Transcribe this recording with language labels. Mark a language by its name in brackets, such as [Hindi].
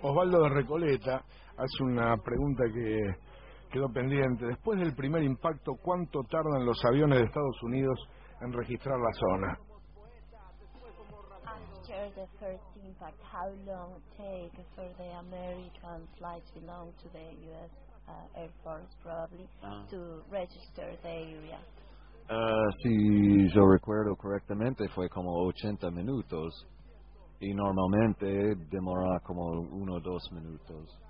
[Spanish] Osvaldo de Recoleta hace una pregunta que quedó pendiente. Después del primer impacto, ¿cuánto tardan los aviones de Estados Unidos en registrar la zona? [English] After the first impact, how long take for the American flights belong to the U.S. Air Force probably to register the area? [Spanish] Si yo recuerdo correctamente, fue como 80 minutos, y normalmente demora como 1 o 2 minutos.